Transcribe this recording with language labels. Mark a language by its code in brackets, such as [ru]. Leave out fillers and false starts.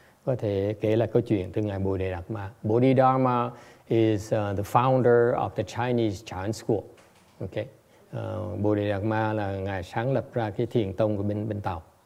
[vi] Có thể kể lại câu chuyện từ ngài Bodhidharma. [en] Bodhidharma is the founder of the Chinese Chan school. Okay. [vi] Bodhidharma là ngài sáng lập ra cái thiền tông của bên Tàu.